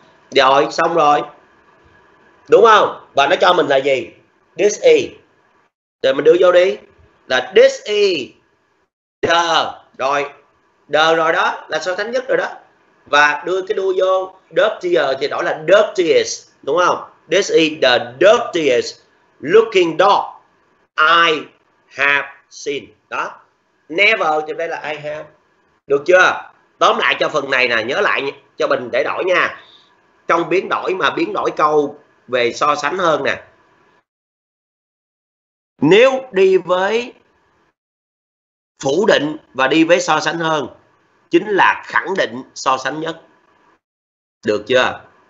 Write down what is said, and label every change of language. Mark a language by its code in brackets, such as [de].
[vi] Rồi, xong rồi. Đúng không? Và nó cho mình là gì? [en] This is. [vi] Rồi mình đưa vô đi. Là [en] this is the. [vi] Rồi. The rồi đó. Là so sánh nhất rồi đó. Và đưa cái đuôi vô. Dirtier thì đổi là dirtiest. Đúng không? [en] This is the dirtiest looking dog I have seen. [vi] Đó. Never thì đây là [en] I have. [vi] Được chưa? Tóm lại cho phần này nè. Nhớ lại cho mình để đổi nha. Trong biến đổi mà biến đổi câu về so sánh hơn nè, nếu đi với phủ định và đi với so sánh hơn chính là khẳng định so sánh nhất, được chưa?